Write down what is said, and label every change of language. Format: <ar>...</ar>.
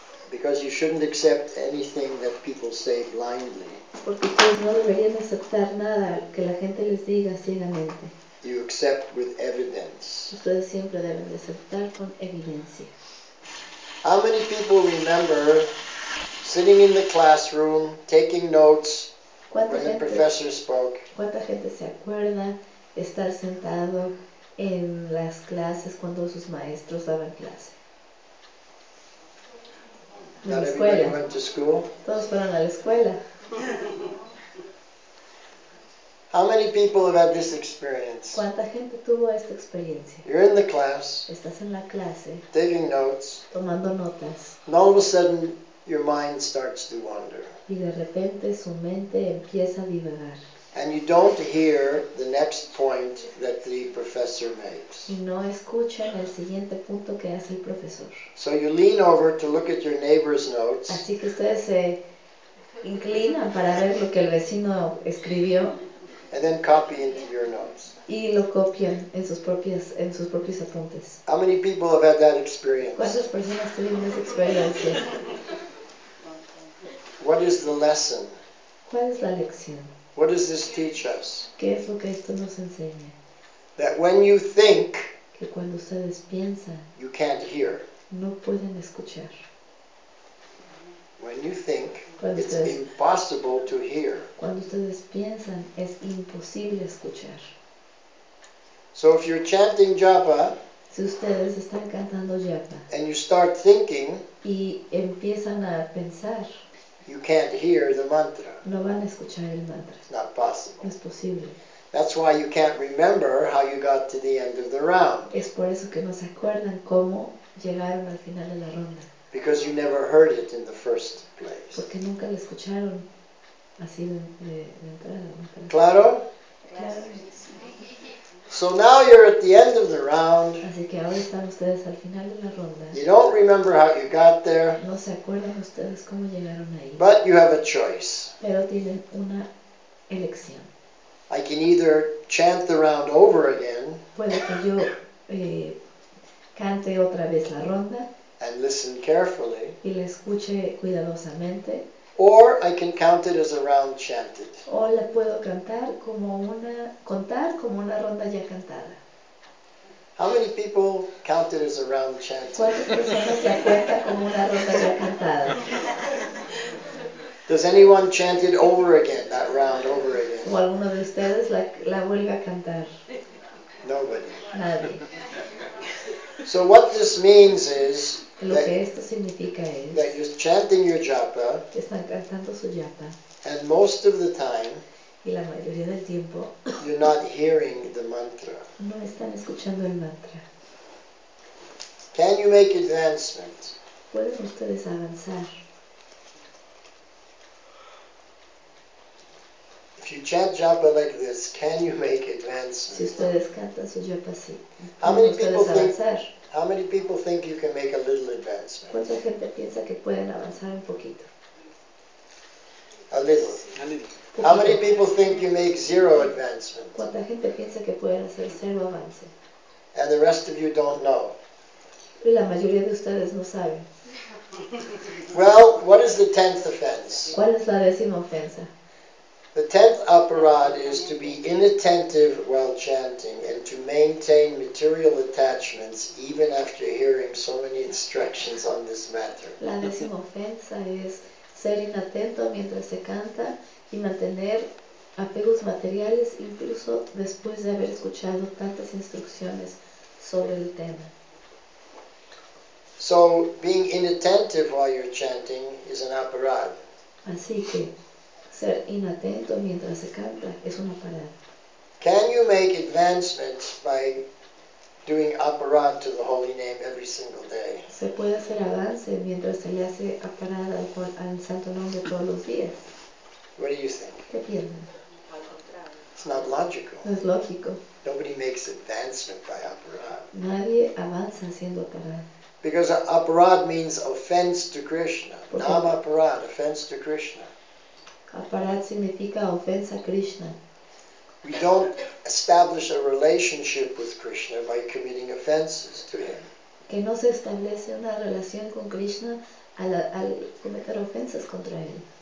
<en>Because you shouldn't accept anything that people say blindly.</en> <es>Porque ustedes no deberían aceptar nada que la gente les diga ciegamente.</es> <en>You accept with evidence.</en> <es>Ustedes siempre deben aceptar con evidencia.</es> <en>How many people remember sitting in the classroom taking notes when the professor spoke?</en> <es>¿Cuánta gente se acuerda estar sentado en las clases cuando sus maestros daban clase?</es> <en>Not everybody went to school.</en> <es>Todos fueron a la escuela.</es> <en>How many people have had this experience?</en> <es>¿Cuánta gente tuvo esta experiencia?</es> <en>You're in the class.</en> <es>Estás en la clase.</es> <en>Taking notes.</en> <es>Tomando notas.</es> <en>And all of a sudden, your mind starts to wander.</en> <es>Y de repente su mente empieza a divagar.</es> <en>And you don't hear the next point that the professor makes.</en> <es>Y no escuchan el siguiente punto que hace el profesor.</es> <en>So you lean over to look at your neighbor's notes.</en> <es>Así que ustedes se inclinan para ver lo que el vecino escribió.</es> <en>And then copy into your notes.</en> <es>Y lo copian en sus propios apuntes.</es> <en>How many people have had that experience?</en> <es>¿Cuántas personas tienen esa experiencia?</es> <en>What is the lesson?</en> <es>¿Cuál es la lección?</es> <en>What does this teach us?</en> <es>¿Qué es lo que esto nos enseña?</es> <en>That when you think,</en> <es>que cuando ustedes piensan,</es> <en>you can't hear.</en> <es>No pueden escuchar.</es> <en>When you think, it's impossible to hear.</en> <es>Cuando ustedes piensan, es imposible escuchar.</es> <en>So if you're chanting Japa,</en> <es>si ustedes están cantando Japa,</es> <en>and you start thinking,</en> <es>y empiezan a pensar,</es> <en>you can't hear the mantra.</en> <es>No van a escuchar el mantra.</es> <en>It's not possible.</en> <es>No es posible.</es> <en>That's why you can't remember how you got to the end of the round.</en> <es>Es por eso que no se acuerdan cómo llegaron al final de la ronda.</es> <en>Because you never heard it in the first place.</en> <es>Porque nunca lo escucharon así de entrada. ¿Claro?</es> <en>So now you're at the end of the round.</en> <es>Así que ahora están ustedes al final de la ronda.</es> <en>You don't remember how you got there.</en> <es>No se acuerdan ustedes cómo llegaron ahí.</es> <en>But you have a choice.</en> <es>Pero tienen una elección.</es> <en>I can either chant the round over again.</en> <es>Puede que yo cante otra vez la ronda.</es> <en>And listen carefully.</en> <es>Y la escuche cuidadosamente.</es> <en>Or I can count it as a round chanted.</en> <es>O la puedo cantar como una contar como una ronda ya cantada.</es> <en>How many people count it as a round chanted?</en> <es>¿Cuántas personas la cuenta como una ronda ya cantada?</es> <en>Does anyone chant it over again, that round over again?</en> <es>¿O alguno de ustedes la vuelve a cantar?</es> <en>Nobody.</en> <es>Nadie.</es> <en>So what this means is</en> <es>lo que esto significa es</es> <en>that you're chanting your japa,</en> <es>están cantando su japa,</es> <en>and most of the time,</en> <es>y la mayoría del tiempo,</es> <en>you're not hearing the mantra.</en> <es>No están escuchando el mantra.</es> <en>Can you make advancement?</en> <es>¿Pueden ustedes avanzar?</es> <en>If you chant japa like this, can you make advancement?</en> <es>Si ustedes cantan su japa así,</es> <en>how many people</en> <es>avanzar?</es> <en>Think? How many people think you can make a little advancement?</en> <es>¿Cuánta gente piensa que pueden avanzar un poquito?</es> <en>A little.</en> <es>Poquito.</es> <en>How many people think you make zero advancement?</en> <es>¿Cuánta gente piensa que pueden hacer cero avance?</es> <en>And the rest of you don't know.</en> <es>Y la mayoría de ustedes no saben.</es> <en>Well, what is the tenth offense?</en> <es>¿Cuál es la décima ofensa?</es> <en>The tenth aparad is to be inattentive while chanting and to maintain material attachments even after hearing so many instructions on this matter.</en> <es>La décima ofensa es ser inatento mientras se canta y mantener apegos materiales incluso después de haber escuchado tantas instrucciones sobre el tema.</es> <en>So, being inattentive while you're chanting is an aparad.</en> <es>Así que ser inatento mientras se canta es una parada.</es> <en>Can you make advancements by doing aparad to the holy name every single day?</en> <es>Se puede hacer avance mientras se le hace aparad al santo nombre todos los días.</es> <en>What do you think?</en> <es>¿Qué piensan?</es> <en>It's not logical.</en> <es>No es lógico.</es> <en>Nobody makes advancement by aparad.</en> <es>Nadie avanza haciendo aparad.</es> <en>Because aparad means offense to Krishna. Nama aparad, offense to Krishna.</en> <es>Aparad significa ofensa a Krishna.</es> <en>We don't establish a relationship with Krishna by committing offenses to him.</en> <es>Que no se establece una relación con Krishna al cometer ofensas contra él.</es>